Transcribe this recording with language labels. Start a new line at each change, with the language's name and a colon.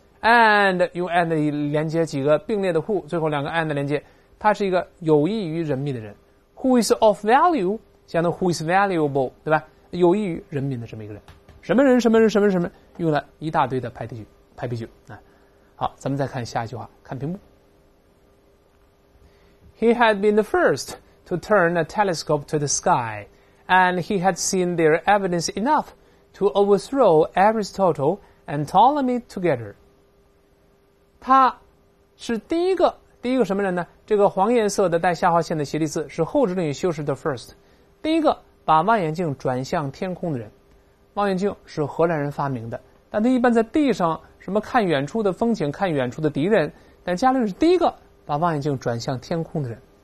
Chinese: And 用 and 连接几个并列的 who， 最后两个 and 连接，他是一个有益于人民的人。
English: Who is of value，
Chinese: 相当于
English: who is valuable，
Chinese: 对吧，有益于人民的这么一个人。什么人什么人什么什么，用了一大堆的排比句，排比句啊。好，咱们再看下一句话，看屏幕。
English: He had been the first to turn a telescope to the sky and he had seen their evidence enough to overthrow Aristotle and Ptolemy together。
Chinese: 他是第一个，第一个什么人呢，这个黄颜色的带下划线的斜体字是后殖民修士的 first， 第一个把望远镜转向天空的人。望远镜是荷兰人发明的，但他一般在地上什么看远处的风景，看远处的敌人，但伽利略是第一个把望远镜转向天空的人。